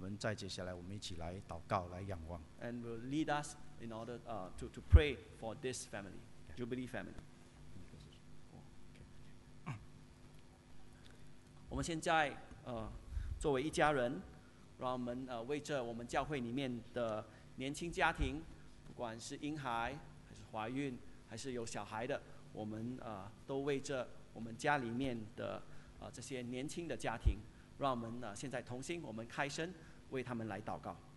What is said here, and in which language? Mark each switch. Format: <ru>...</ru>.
<zh>来带领我们在这个家里面，为做家里面的各样的这个事情，我们在接下来我们一起来祷告，来仰望。</zh> <en>And will lead us in order to pray for this family, Jubilee family.</en> <zh>我们现在 作为一家人， 让我们 为着我们教会里面的 年轻家庭，不管是婴孩还是怀孕还是有小孩的，我们都为着我们家里面的这些年轻的家庭，让我们现在同心，我们开声为他们来祷告。</zh>